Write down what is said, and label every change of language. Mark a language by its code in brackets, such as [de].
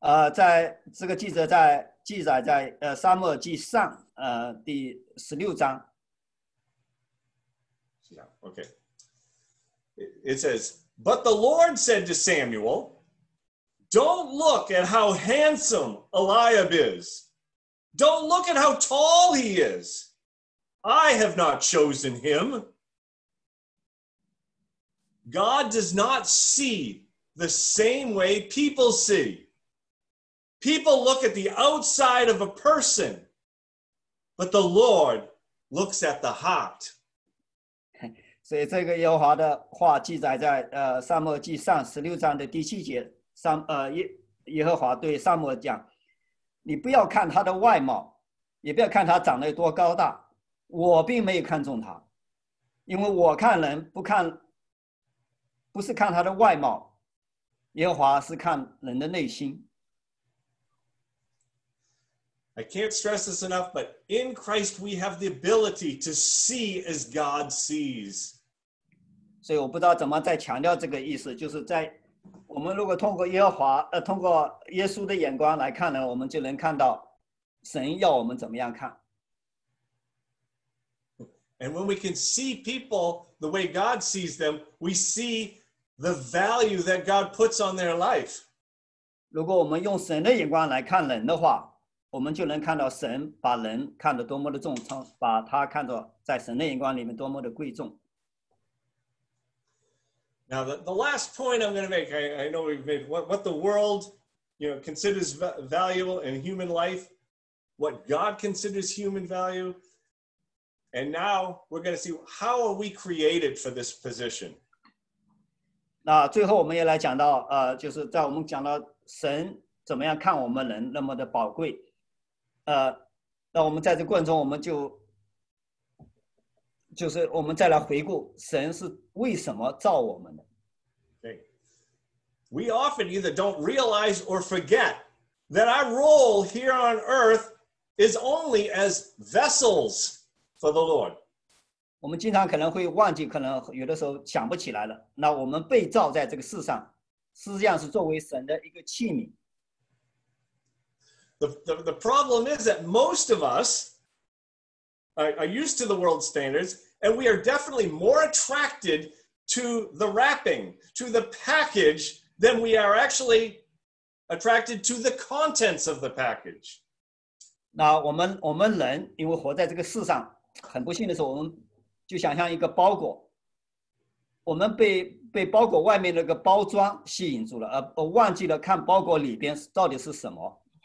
[zh] 在这个记者在记载在撒母耳记上第16章。 [en] Yeah, okay. It says, But the Lord said to Samuel, Don't look at how handsome Eliab is. Don't look at how tall he is. I have not chosen him. God does not see the same way people see. People look at the outside of a person, but the Lord looks at the heart. [zh] 所以这个耶和华的话记载在撒母耳记上16章的第七节耶和华对撒母耳讲你不要看他的外貌也不要看他长得多高大我并没有看中他因为我看人不是看他的外貌耶和华是看人的内心 [en] I can't stress this enough but in Christ we have the ability to see as God sees [zh] 所以我不知道怎么再强调这个意思，就是在我们如果通过耶和华，通过耶稣的眼光来看呢，我们就能看到神要我们怎么样看。 [en] And when we can see people the way God sees them, we see the value that God puts on their life. [zh] 如果我们用神的眼光来看人的话，我们就能看到神把人看得多么的重，把他看作在神的眼光里面多么的贵重。 [en] Now, the last point I'm going to make, I know we've made what the world you know, considers valuable in human life, what God considers human value, and now we're going to see how are we created for this position. [zh] 那最后我们也来讲到，就是在我们讲到神怎么样看我们人那么的宝贵。那我们在这过程中，我们就是我们再来回顾神是为什么造我们的。对。 [en] We often either don't realize or forget that our role here on earth is only as vessels for the Lord. [zh] 我们经常可能会忘记，可能有的时候想不起来了。那我们被造在这个世上，实际上是作为神的一个器皿。 [en] The problem is that most of us are used to the world standards, and we are definitely more attracted to the wrapping, to the package, than we are actually attracted to the contents of the package. [zh] 那我们人因为活在这个世上，很不幸的是，我们就想象一个包裹，我们被包裹外面那个包装吸引住了，而忘记了看包裹里边到底是什么。